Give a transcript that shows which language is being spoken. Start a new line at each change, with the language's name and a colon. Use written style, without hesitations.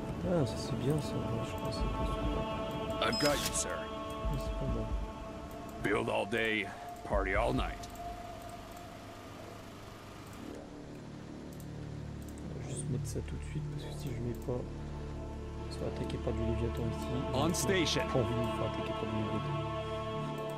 French: Ah, ça c'est bien ça, je pense que c'est pas super.
English: I've got you, sir.
French: Mais c'est pas bon.
English: Build all day, party all night.
French: Je vais juste mettre ça tout de suite parce que si je mets pas. Ça va attaquer par du Léviathan ici.
English: On station!
French: Pas envie de me faire attaquer par du Léviathan.